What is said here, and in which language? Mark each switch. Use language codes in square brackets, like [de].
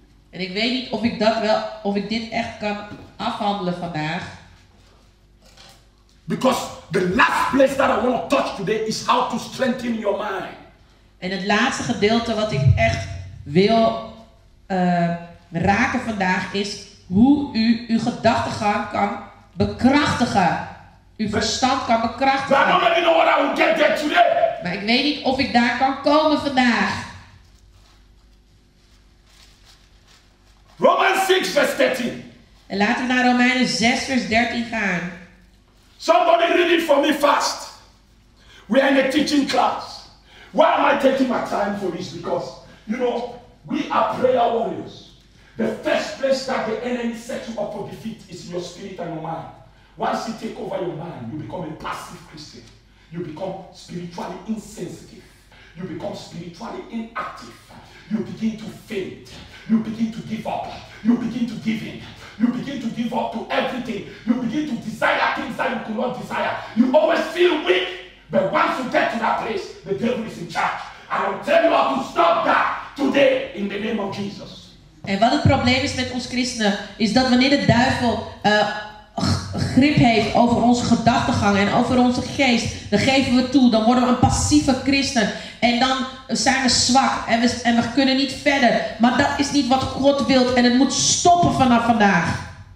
[nl] En ik weet niet of ik dat wel, of ik dit echt kan afhandelen vandaag. [en] Because the last place that I want to touch today is how to strengthen your mind. [nl] En het laatste gedeelte wat ik echt wil raken vandaag is hoe u uw gedachtegang kan bekrachtigen. Uw verstand kan bekrachtigen. [en] But I don't even know what I will get there today. [nl] Maar ik weet niet of ik daar kan komen vandaag. [en] Romans 6 vers 13. [nl] En laten we naar Romeinen 6 vers 13 gaan. [en] Somebody read it for me fast. We are in a teaching class. Why am I taking my time for this? Because, you know, we are prayer warriors. The first place that the enemy sets you up for defeat is your spirit and your mind. Once you take over your mind, you become a passive Christian. You become spiritually insensitive. you become spiritually inactive. You begin to faint. You begin to give up. You begin to give in. You begin to give up to everything. You begin to desire things that you could not desire. You always feel weak. But once you get to that place, the devil is in charge. And I'll tell you how to stop that today in the name of Jesus. [nl] En wat het probleem is met ons christenen, is dat wanneer de duivel grip heeft over onze gedachtegang en over onze geest, dan geven we toe, dan worden we een passieve christen. En dan zijn we zwak en we kunnen niet verder. Maar dat is niet wat God wil en het moet stoppen vanaf vandaag.